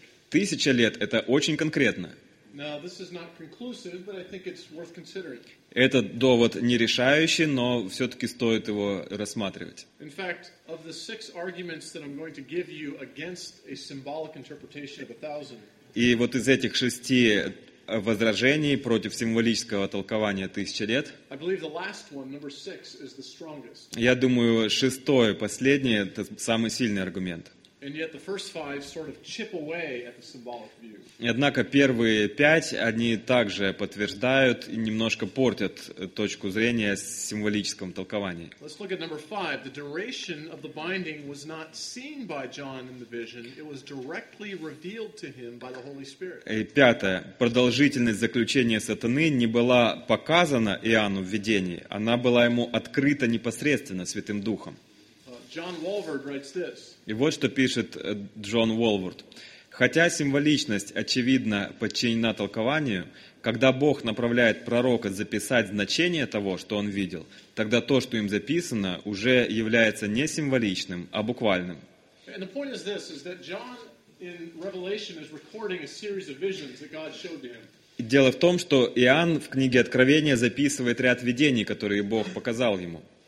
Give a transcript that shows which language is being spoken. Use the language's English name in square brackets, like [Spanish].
[Russian] Тысяча лет — это очень конкретно. [English] Now, this is not conclusive, but I think it's worth considering. [Russian] Этот довод не решающий, но все-таки стоит его рассматривать. [English] In fact, of the six arguments that I'm going to give you against a symbolic interpretation of a thousand. [Russian] И вот из этих шести возражений против символического толкования тысячи лет. [English] I believe the last one, number six, is the strongest. [Russian] Я думаю, шестое, последнее, это самый сильный аргумент. [English] And yet the first five sort of chip away at the symbolic view. [Russian] И однако первые пять, они также подтверждают и немножко портят точку зрения символическом толковании. [English] Let's look at number five. The duration of the binding was not seen by John in the vision. It was directly revealed to him by the Holy Spirit. [Russian] И пятое. Продолжительность заключения сатаны не была показана Иоанну в видении. Она была ему открыта непосредственно Святым Духом. [English] John Walvoord writes this. [Russian] И вот что пишет Джон Уолвард. Хотя символичность, очевидно, подчинена толкованию, когда Бог направляет пророка записать значение того, что он видел, тогда то, что им записано, уже является не символичным, а буквальным. [English] And the point is this, is that John in Revelation is recording a series of visions that God showed to him. [Russian] Дело в том, что Иоанн в книге Откровения записывает ряд видений, которые Бог показал ему.